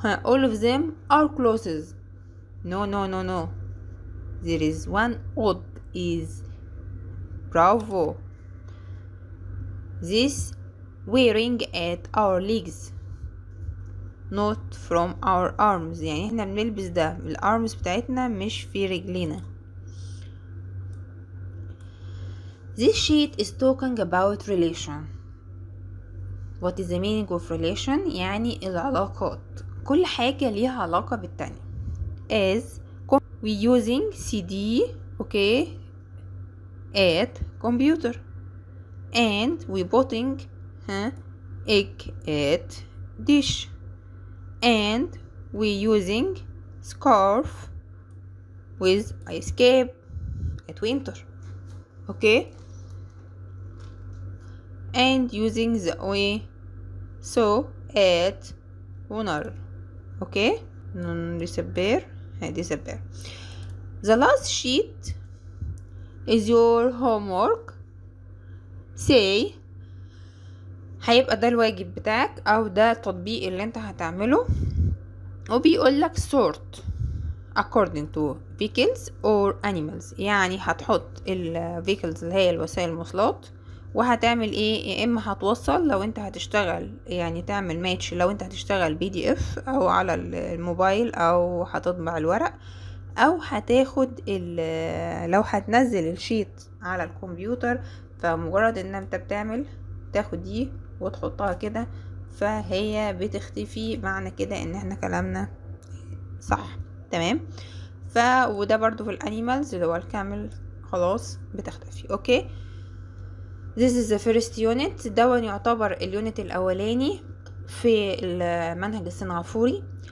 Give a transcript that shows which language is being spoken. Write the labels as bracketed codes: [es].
[en] All of them are clothes. No. There is one odd is bravo. This wearing at our legs. Not from our arms. [ar] يعني احنا بنلبس ده الارمز بتاعتنا مش في رجلينا. [en] This sheet is talking about relation. What is the meaning of relation? [ar] يعني العلاقات. كل حاجة ليها علاقة بالتانية. [en] As we using CD, okay, at computer, and we putting egg at dish, and we using scarf with ice cap at winter, okay, and using the way so at winter. Okay, disappear. Disappear. The last sheet is your homework. Say [ar] هيبقى ده الواجب بتاعك او ده التطبيق اللي انت هتعمله. وبيقول لك [en] sort according to vehicles or animals. [ar] يعني هتحط ال vehicles اللي هي الوسائل المواصلات وهتعمل ايه؟ يا اما هتوصل لو انت هتشتغل يعني تعمل ماتش لو انت هتشتغل بي دي اف او على الموبايل او هتطبع الورق او هتاخد لو هتنزل الشيت على الكمبيوتر فمجرد ان انت بتعمل تاخد دي وتحطها كده فهي بتختفي. معنى كده ان احنا كلامنا صح تمام. وده برضو في الانيمالز اللي هو الكامل خلاص بتختفي. [en] Okay This is the first unit. [ar] ده يعتبر اليونت الاولاني في المنهج السنغافوري.